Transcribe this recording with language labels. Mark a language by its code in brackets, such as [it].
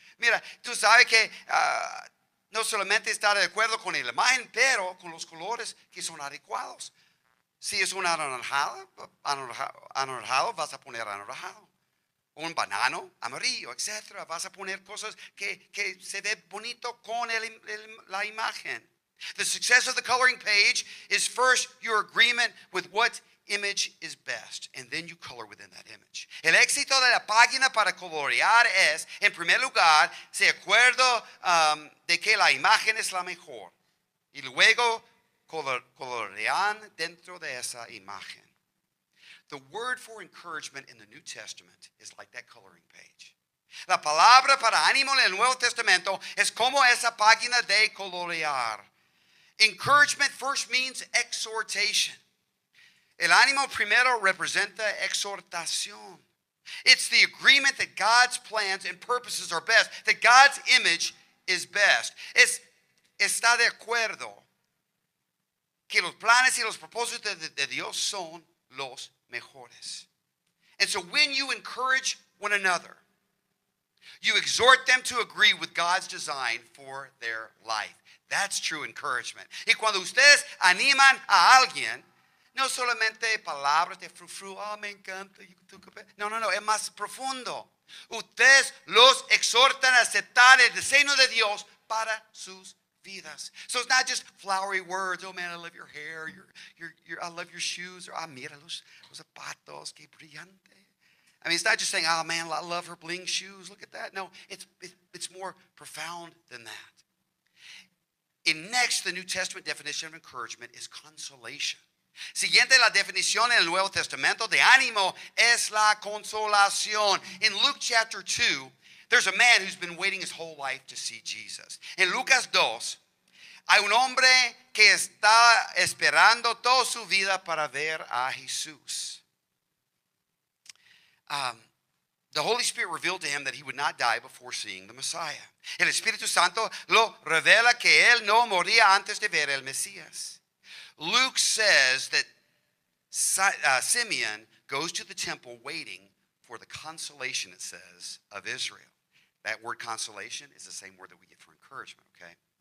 [es] Mira, tú sabes que no solamente está de acuerdo con la imagen, pero con los colores que son adecuados. Si es un anaranjado, vas a poner anaranjado. Un banano, amarillo, etc. Vas a poner cosas que se ve bonito con la imagen. [en] The success of the coloring page is first your agreement with what image is best, and then you color within that image. [es] El éxito de la página para colorear es, en primer lugar, se acuerdo de que la imagen es la mejor, y luego colorean dentro de esa imagen. [en] The word for encouragement in the New Testament is like that coloring page. [es] La palabra para ánimo en el Nuevo Testamento es como esa página de colorear. [en] Encouragement first means exhortation. [es] El ánimo primero representa exhortación. [en] It's the agreement that God's plans and purposes are best, that God's image is best. [es] Es está de acuerdo que los planes y los propósitos de Dios son los mejores. [en] And so when you encourage one another, you exhort them to agree with God's design for their life. That's true encouragement. [es] Y cuando ustedes animan a alguien, no solamente palabras de frufru, me encanta. No, es más profundo. Ustedes los exhortan a aceptar el diseño de Dios para sus vidas. [en] So it's not just flowery words. Oh man, I love your hair. I love your shoes. [es] Or mira los zapatos, qué brillante. [en] I mean, it's not just saying, oh man, I love her bling shoes. Look at that. No, it's more profound than that. And next, the New Testament definition of encouragement is consolation. [es] Siguiente la definición en el Nuevo Testamento de ánimo es la consolación. [en] In Luke chapter 2, there's a man who's been waiting his whole life to see Jesus. [es] En Lucas 2, hay un hombre que está esperando toda su vida para ver a Jesús. [en] The Holy Spirit revealed to him that he would not die before seeing the Messiah. [es] El Espíritu Santo lo revela que él no moría antes de ver el Mesías. [en] Luke says that Simeon goes to the temple waiting for the consolation, it says, of Israel. That word consolation is the same word that we get for encouragement, okay?